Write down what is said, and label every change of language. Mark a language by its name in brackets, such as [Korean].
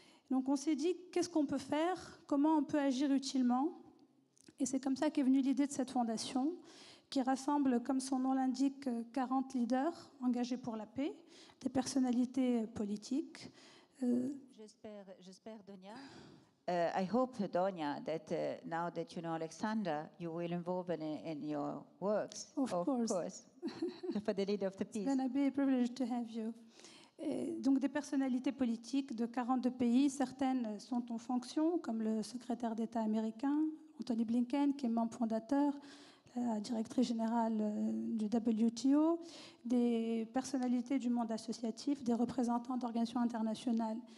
[French] Donc on s'est dit, qu'est-ce qu'on peut faire? Comment on peut agir utilement? Et c'est comme ça qu'est venue l'idée de cette fondation, qui rassemble, comme son nom l'indique, 40 leaders engagés pour la paix, des personnalités politiques. J'espère, Donia. [English] I hope, Donia, that now that you know Alexandra, you will involve in your works. Of course. For the leader of the peace. It's going to be a privilege to have you. [French] Donc des personnalités politiques de 42 pays, certaines sont en fonction, comme le secrétaire d'État américain, Anthony Blinken, qui est membre fondateur, la directrice générale du WTO, des personnalités du monde associatif, des représentants d'organisations internationales.